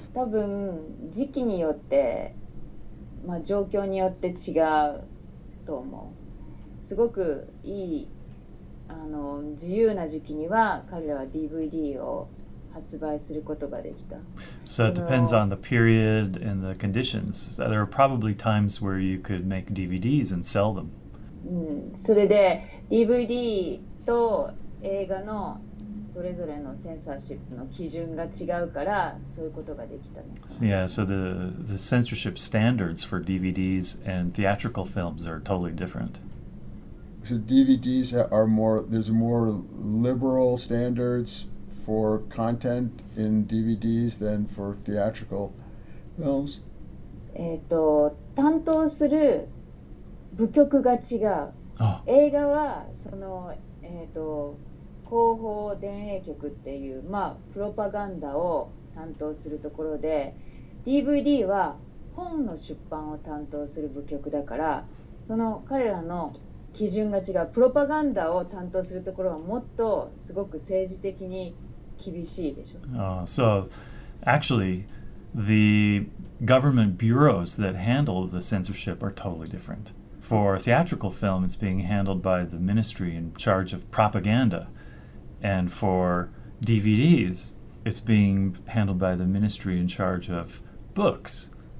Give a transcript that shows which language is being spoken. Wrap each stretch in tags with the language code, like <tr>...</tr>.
<ja>多分時期によって、まあ、状況によって違うと思う。すごくいい、あの、自由な時期には彼らは DVD を発売することができた。</ja> <en>So it depends on the period and the conditions. So there are probably times where you could make DVDs and sell them.</en> <ja>それで DVD と映画のそれぞれのセンサーシップの基準が違うからそういうことができたんですね。</ja> <en>Yeah, so the censorship standards for DVDs and theatrical films are totally different. So DVDs are more, there's more liberal standards for content in DVDs than for theatrical films?</en> <ja>担当する部局が違う。映画はその広報電影局っていうまあプロパガンダを担当するところで、DVD は本の出版を担当する部局だから、その彼らの基準が違う。プロパガンダを担当するところはもっとすごく政治的に厳しいでしょ。</ja> <en>So actually, the government bureaus that handle the censorship are totally different. For theatrical film, it's being handled by the ministry in charge of propaganda. And for DVDs, it's being handled by the ministry in charge of books.</en>